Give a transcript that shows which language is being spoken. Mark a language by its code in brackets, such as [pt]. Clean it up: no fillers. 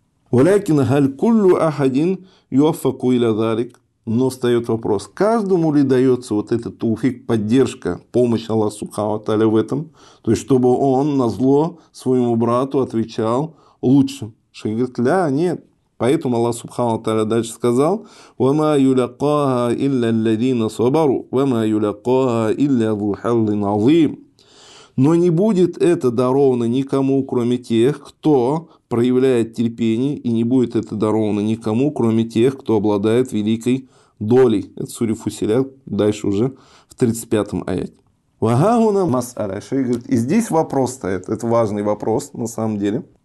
[ar] Валякин галь куллю ахадин юаффаку иля зарик. [ru] Но встает вопрос, каждому ли дается вот этот туфик, поддержка, помощь Аллаху Субхану ва Тааля в этом? То есть, чтобы он назло своему брату отвечал лучшим. Шейх говорит, ля, нет. Поэтому Аллах Субхану ва Тааля дальше сказал, [ar] وَمَا يُلَقَّاهَا إِلَّا الَّذِينَ صَبَرُوا وَمَا يُلَقَّاهَا إِلَّا ذُو حَظٍّ عَظِيمٍ. [ru] Но не будет это даровано никому, кроме тех, кто проявляет терпение, и не будет это даровано никому, кроме тех, кто обладает великой долей. Это сура Фусилят, дальше уже в 35-м аяте. [ar] Вагауна масаля. [ru] Шейх говорит, и здесь вопрос стоит. Это важный вопрос, на самом деле.